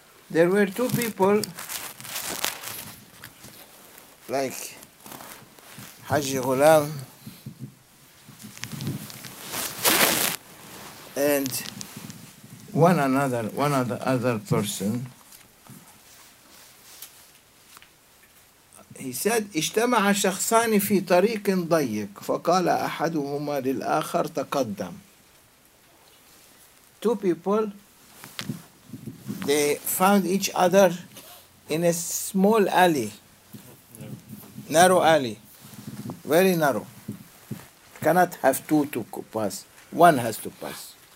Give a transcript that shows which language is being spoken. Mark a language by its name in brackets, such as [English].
[English] There were two people, like Haji Ghulam and one other person. He said, [Arabic] اجتمع شخصان في طريق ضيق فقال أحدهما للآخر تقدم. [English] Two people, they found each other in a small alley, narrow alley, very narrow. Cannot have two to pass, one has to pass.